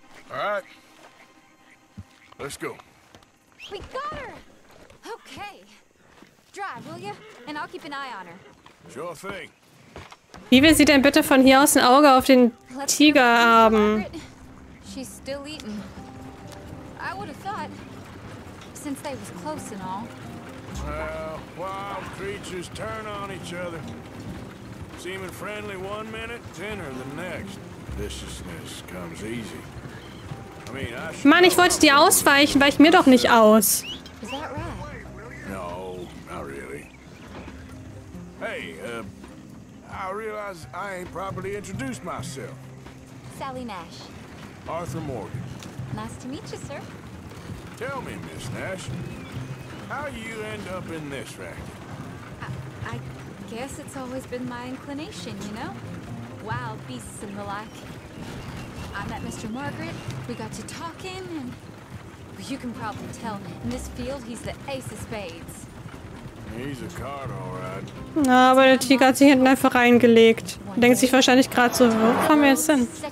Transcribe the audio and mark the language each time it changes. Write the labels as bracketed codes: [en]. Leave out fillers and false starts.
[en] Alright. Let's go. We got her! Okay. Drive, will you? And I'll keep an eye on her. Sure thing. [de] Wie will sie denn bitte von hier aus ein Auge auf den Tiger haben? [en] She's still eating. I would have thought, since they was close and all. Well, wild creatures turn on each other. Seeming friendly one minute, dinner the next. Viciousness comes easy. I mean, I should... [de] Mann, ich wollte dir ausweichen, weich mir doch nicht aus. [en] Is that right? No, not really. Hey, I realize I ain't properly introduced myself. Sally Nash. Arthur Morgan. Nice to meet you, sir. Tell me, Miss Nash, how you end up in this racket? I guess it's always been my inclination, you know? Wild beasts and the like. I met Mr. Margaret, we got to talking, and... You can probably tell, in this field, he's the ace of spades. He's a card, all right. [de] Na, aber der Tiger hat sich hinten einfach reingelegt. Denkt sich wahrscheinlich gerade so, wo kommen wir jetzt hin?